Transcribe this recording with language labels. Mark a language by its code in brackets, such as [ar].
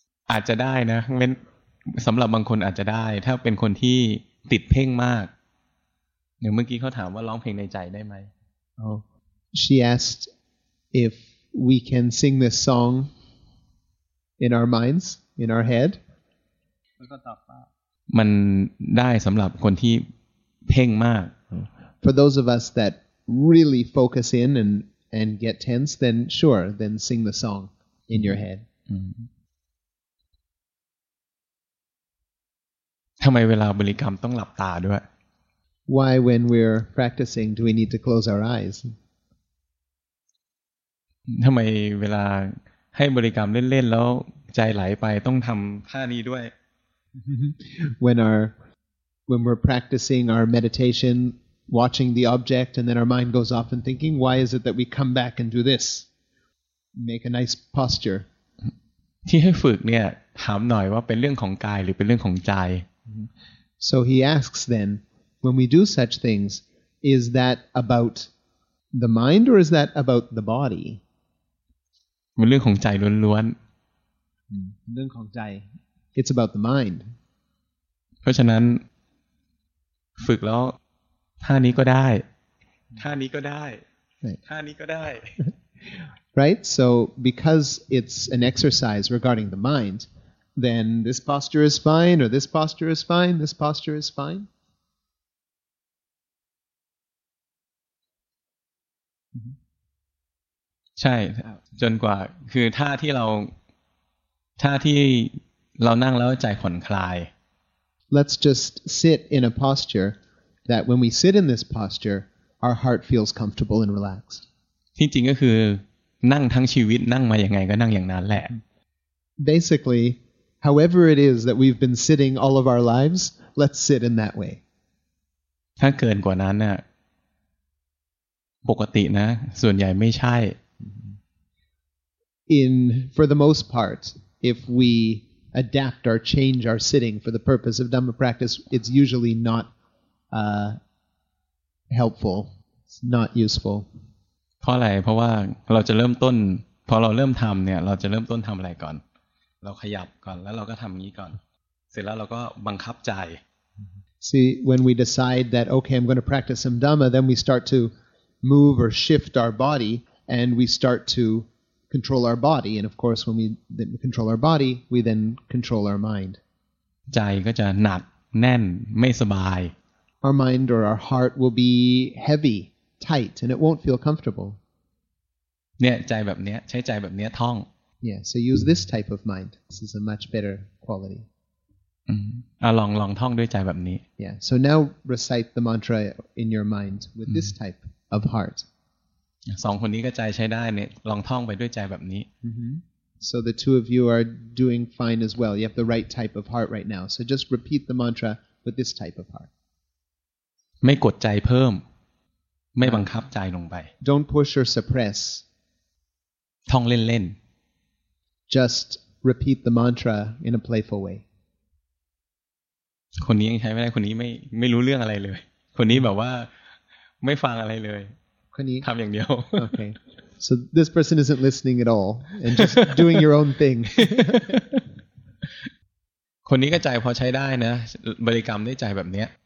[th] อาจจะได้นะเว้นสำหรับบางคนอาจจะได้ถ้าเป็นคนที่ติดเพ่งมากอย่างเมื่อกี้เขาถามว่าร้องเพลงในใจได้ไหม [en] Oh, she asked if we can sing this song in our minds, in our head. [th] มันได้สำหรับคนที่เพ่งมาก [en] For those of us that really focus in and get tense, then sure, then sing the song in your head. [th] ทำไมเวลาบริกรรมต้องหลับตาด้วย [en] Why when we're practicing do we need to close our eyes? [th] ทำไมเวลาให้บริกรรมเล่นๆแล้วใจไหลไปต้องทำท่านี้ด้วย [en] When we're practicing our meditation watching the object and then our mind goes off and thinking why is it that we come back and do this? Make a nice posture. [th] ที่ให้ฝึกเนี่ยถามหน่อยว่าเป็นเรื่องของกายหรือเป็นเรื่องของใจ [en] So he asks then, when we do such things, is that about the mind or is that about the body? [th] มันเรื่องของใจล้วน [en] ๆ [th] เรื่องของใจ [en] It's about the mind. [th] เพราะฉะนั้นฝึกแล้วท่านี้ก็ได้ท่านี้ก็ได้ท่านี้ก็ได้ [en] Right? So because it's an exercise regarding the mind,Then this posture is fine, or this posture is fine, this posture is fine. [th] ใช่จนกว่าคือท่าที่เรานั่งแล้วใจผ่อนคลาย [en] Let's just sit in a posture that when we sit in this posture, our heart feels comfortable and relaxed. [th] ที่จริงก็คือนั่งทั้งชีวิตนั่งมาอย่างไรก็นั่งอย่างนั้นแหละ [en] Basically,However it is that we've been sitting all of our lives, let's sit in that way. [th] ถ้าเกินกว่านั้นน่ะปกตินะส่วนใหญ่ไม่ใช่ [en] In for the most part, if we adapt or change our sitting for the purpose of Dhamma practice, it's usually not helpful. It's not useful. [th] เพราะอะไรเพราะว่าเราจะเริ่มต้นพอเราเริ่มทำเนี่ยเราจะเริ่มต้นทำอะไรก่อนเราขยับก่อนแล้วเราก็ทำอย่างนี้ก่อนเสร็จแล้วเราก็บังคับใจ [en] See when we decide that okay I'm going to practice some dhamma then we start to move or shift our body and we start to control our body and of course when we control our body we then control our mind [th] ใจก็จะหนักแน่นไม่สบาย [en] Our mind or our heart will be heavy tight and it won't feel comfortable [th] เนี่ยใจแบบเนี้ยใช้ใจแบบเนี้ยท่อง [en] Yeah, so use this type of mind. This is a much better quality. [th] ลองท่องด้วยใจแบบนี้ [en] Yeah, so now recite the mantra in your mind with this type of heart. [th] สองคนนี้ก็ใจใช้ได้เนี่ยลองท่องไปด้วยใจแบบนี้ [en] So the two of you are doing fine as well. You have the right type of heart right now. So just repeat the mantra with this type of heart. [th] ไม่กดใจเพิ่มไม่บังคับใจลงไป [en] Don't push or suppress [th] ท่องเล่น [en] ๆ Just repeat the mantra in a playful way. [th] คนนี้ยังใช้ไม่ได้คนนี้ไม่รู้เรื่องอะไรเลยคนนี้แบบว่าไม่ฟังอะไรเลย คนนี้ ทำอย่างเดียว [en] Okay. So this person isn't listening at all and just doing your own thing. [th] คนนี้ก็ใจพอใช้ได้นะบริกรรมได้ใจแบบเนี้ย